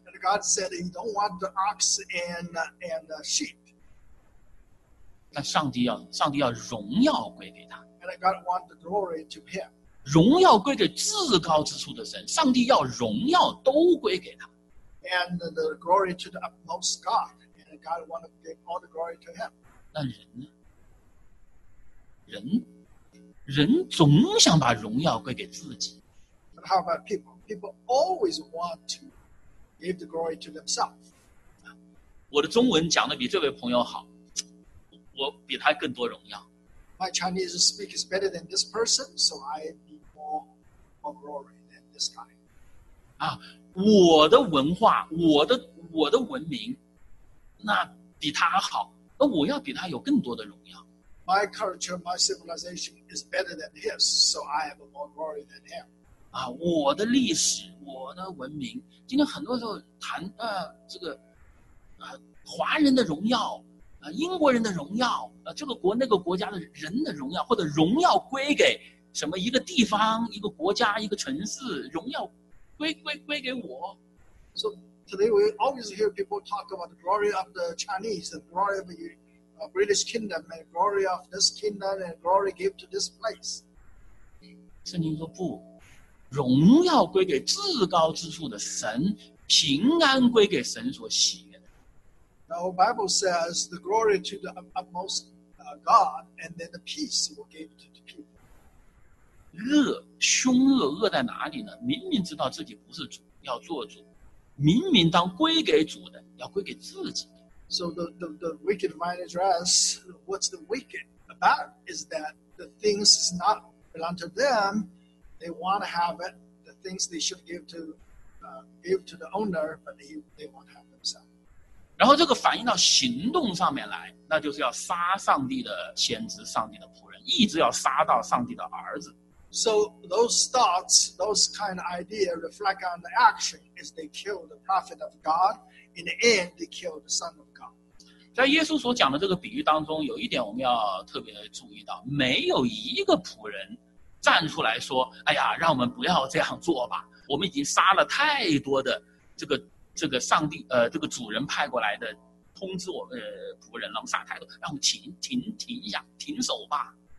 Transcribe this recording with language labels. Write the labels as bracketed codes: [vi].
[en] And God said he don't want the ox and the sheep. [zh] 那上帝要荣耀归给他。 [en] And God wants the glory to him. [zh] 荣耀归给至高之处的神，上帝要荣耀都归给他。 [en] And the glory to the utmost God. And God wants to give all the glory to him. [zh] 那人呢？人总想把荣耀归给自己。 [en] But how about people? People always want to give the glory to themselves. [zh] 我的中文讲得比这位朋友好，我比他更多荣耀。 [en] My Chinese speak is better than this person, so I need more glory than this guy. [zh] 啊，我的文化，我的文明，那比他好，那我要比他有更多的荣耀。 [en] My culture, my civilization is better than his, so I have more glory than him. [zh] 啊，我的历史，我的文明，今天很多时候谈这个华人的荣耀。英国人的荣耀，这个国那个国家的人的荣耀，或者荣耀归给什么一个地方、一个国家、一个城市，荣耀归给我。 [en] So today we always hear people talk about the glory of the Chinese, the glory of the British kingdom, and the glory of this kingdom, and glory give to this place. [zh] 圣经说不，荣耀归给至高之处的神，平安归给神所喜悦。 [en] Now, Bible says the glory to the utmost God, and then the peace will give to the people. [zh] 恶，凶恶，恶在哪里呢？明明知道自己不是主，要做主；明明当归给主的，要归给自己。 [en] So the wicked vineyardress, what's the wicked about? Is that the things is not belong to them? They want to have it. The things they should give to the owner, but they want to have themselves. [zh] 然后这个反映到行动上面来，那就是要杀上帝的先知，上帝的仆人，一直要杀到上帝的儿子。 [en] So those thoughts, those kind of idea reflect on the action is they kill the prophet of God, in the end they kill the son of God. [zh] 在耶稣所讲的这个比喻当中，有一点我们要特别注意到，没有一个仆人站出来说，哎呀，让我们不要这样做吧，我们已经杀了太多的这个上帝这个主人派过来的通知我们仆人让杀太多，让我们停一下，停手吧。